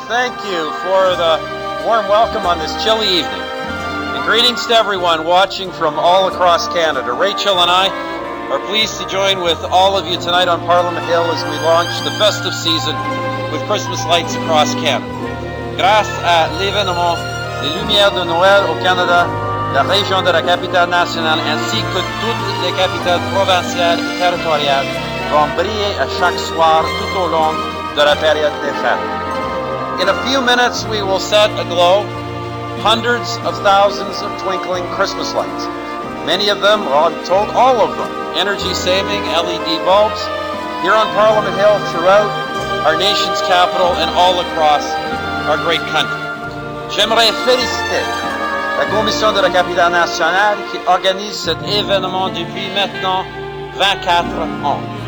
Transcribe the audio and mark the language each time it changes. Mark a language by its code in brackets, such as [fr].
[en] Thank you for the warm welcome on this chilly evening. And greetings to everyone watching from all across Canada. Rachel and I are pleased to join with all of you tonight on Parliament Hill as we launch the festive season with Christmas lights across Canada. [fr] Grâce à l'événement des Lumières de Noël au Canada, la région de la capitale nationale ainsi que toutes les capitales provinciales et territoriales vont briller à chaque soir tout au long. [en] In a few minutes, we will set aglow hundreds of thousands of twinkling Christmas lights. Many of them, or told all of them, energy-saving LED bulbs here on Parliament Hill, throughout our nation's capital, and all across our great country. [fr] J'aimerais féliciter la Commission de la Capitale Nationale qui organise cet événement depuis maintenant 24 ans.